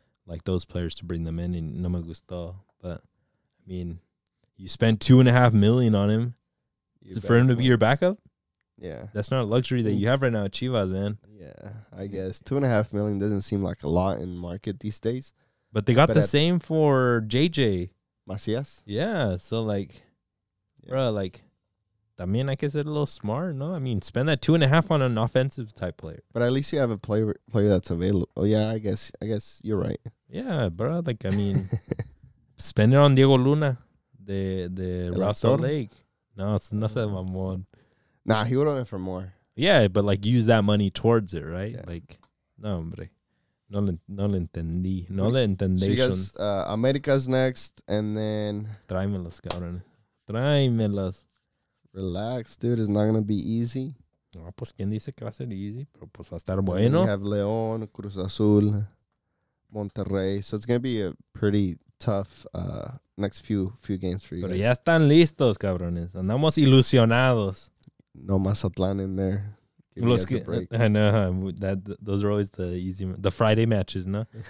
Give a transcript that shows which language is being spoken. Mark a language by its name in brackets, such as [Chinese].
[English] Like, those players to bring them in. And [Spanish] no me gustó. [English] But, I mean, you spent $2.5 million on him for him to be your backup? Yeah. That's not a luxury that you have right now at Chivas, man. Yeah, I guess. $2.5 million doesn't seem like a lot in market these days. But they got the same for JJ. Macias? Yeah. So, like, bro, like, [Spanish] también hay que ser [English] a little smart, no? I mean, spend that $2.5 million on an offensive type player. But at least you have a player that's available. Oh, yeah, I guess you're right. Yeah, bro. Like, I mean, spend it on Diego Luna. The Russell Lake. No, it's nothing about more. Nah, he would have went for more. Yeah, but like use that money towards it, right? Yeah. Like, [Spanish] no, hombre. No le entendí. No le entendí. [English] So you guys, America's next, and then. [Spanish] Tráemelos, cabrón. Tráemelos. [English] Relax, dude. It's not going to be easy. [Spanish] No, pues quien dice que va a ser easy, pero pues va a estar bueno. [English] We have León, Cruz Azul, Monterrey. So it's going to be a pretty tough next few games for you. [Spanish] Pero [English] guys. [Spanish] Ya están listos, cabrones. Andamos ilusionados. [English] No Mazatlán in there. Those are always the easy, the Friday matches, no?